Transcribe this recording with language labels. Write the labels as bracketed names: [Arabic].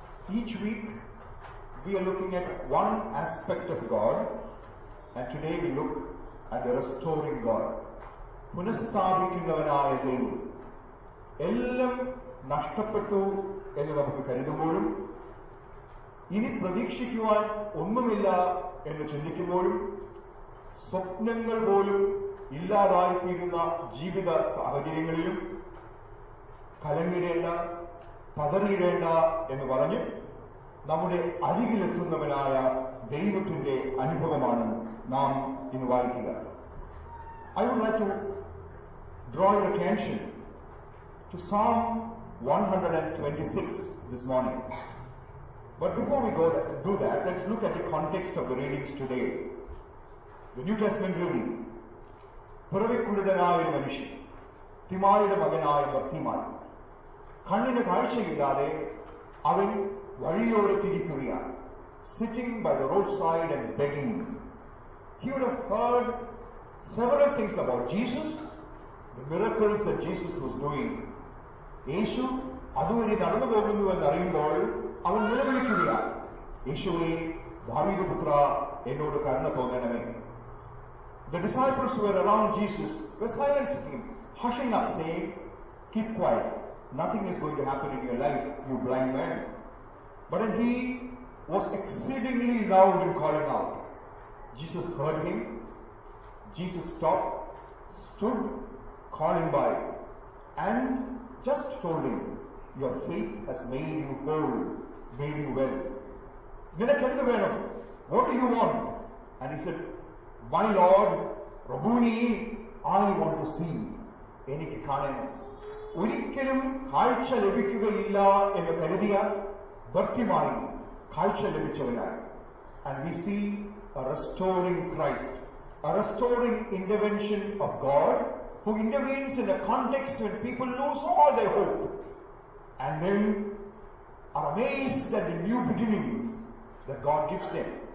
[English] Each week we are looking at one aspect of God, and today we look at the restoring God. [Malayalam] പുനഃസ്ഥാപിക്കുന്നവനായ ദൈവം. എല്ലാം നഷ്ടപ്പെട്ടു എന്ന് നമുക്ക് കരുതുമ്പോഴും ഇനി പ്രതീക്ഷിക്കുവാൻ ഒന്നുമില്ല എന്ന് ചിന്തിക്കുമ്പോഴും സ്വപ്നങ്ങൾ പോലും ഇല്ലാതായിത്തീരുന്ന ജീവിത സാഹചര്യങ്ങളിലും കലങ്ങിടേണ്ട, പതറിയിടേണ്ട എന്ന് പറഞ്ഞ് നമ്മുടെ അരികിലെത്തുന്നവനായ ദൈവത്തിന്റെ അനുഭവമാണ് നാം ഇന്ന് വായിക്കുക. [English] I would like to draw your attention to Psalm 126 this morning. But before we go do that, let's look at the context of the readings today. The New Testament reading. [Malayalam] പുറവിക്കുരുടനായ ഒരു മനുഷ്യൻ, തിമായിയുടെ മകനായ ബർത്തിമായി, കണ്ണിന് കാഴ്ചയില്ലാതെ അവൻ വഴിയോടെത്തിരിക്കുകയാണ്. [English] Sitting by the roadside and begging. He would have heard several things about Jesus, the miracles that Jesus was doing. [Malayalam] യേശു അതുവരെ നടന്നു പോകുന്നു എന്നറിയുമ്പോൾ അവൻ നിലവിളിക്കുക, യേശുവിനെ ദാവീദ് പുത്ര എന്നോട് കരുണ തോന്നണമേ. [English] The disciples who were around Jesus were silencing him, hushing up, saying, keep quiet, nothing is going to happen in your life, you blind man. But then he was exceedingly loud in calling out. Jesus heard him. Jesus stopped, stood, called him by, and just told him, your faith has made you whole, made you well. [Malayalam] Nilakkendu venam, [English] what do you want? And he said, my Lord, Rabuni, I want to see. [Malayalam] എനിക്ക് കാണണം. ഒരിക്കലും കാഴ്ച ലഭിക്കുകയില്ല എന്ന് കരുതിയ Bartimaeus കാഴ്ച ലഭിച്ചവനായി. [English] And we see a restoring Christ, a restoring intervention of God, who intervenes in a context when people lose all their hope, and then are amazed at the new beginnings that God gives them.